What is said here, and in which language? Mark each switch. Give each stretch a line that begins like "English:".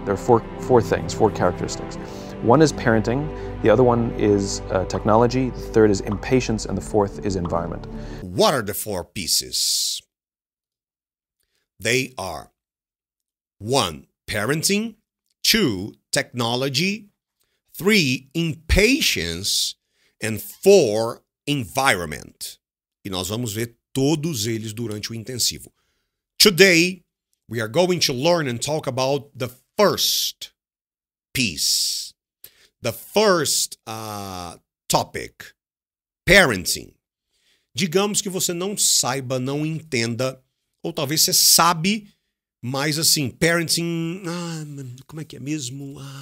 English: There are four things, four characteristics. One is parenting, the other one is technology, the third is impatience, and the fourth is environment. What are the four pieces? They are, one, parenting, two, technology, three, impatience, and four, environment.
Portuguese: E nós vamos ver todos eles durante o intensivo.
English: Today, we are going to learn and talk about the first piece, the first topic, parenting.
Portuguese: Digamos que você não saiba, não entenda, ou talvez você sabe, mas assim, parenting, como é que é mesmo?